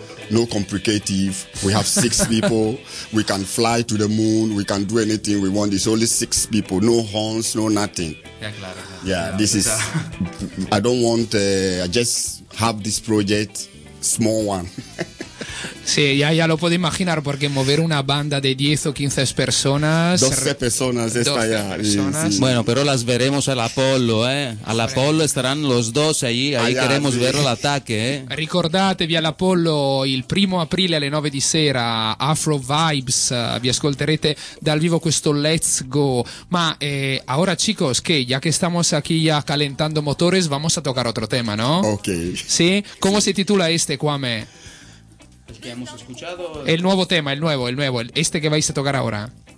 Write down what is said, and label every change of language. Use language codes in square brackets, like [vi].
[en] No complicative. We have six people. We can fly to the moon. We can do anything we want. It's only six people. No horns, no nothing. I don't want, I just have this project, small one. [es] Sí, ya lo puedo imaginar, porque mover una banda de 10 o 15 personas... 12 personas está allá. Bueno, pero las veremos al Apollo, ¿eh? Al Apollo estarán los dos allí, ahí queremos ver el ataque, ¿eh? [it] Ricordatevi, al Apollo, il primo aprile alle 9 di sera, Afro Vibes, vi ascolterete dal vivo questo Let's Go. [es] Ma ahora, chicos, que ya que estamos aquí ya calentando motores, vamos a tocar otro tema, ¿no? Ok. ¿Sí? ¿Cómo se titula este, Kwame? Que hemos escuchado el nuevo tema, el nuevo, este que vais a tocar ahora.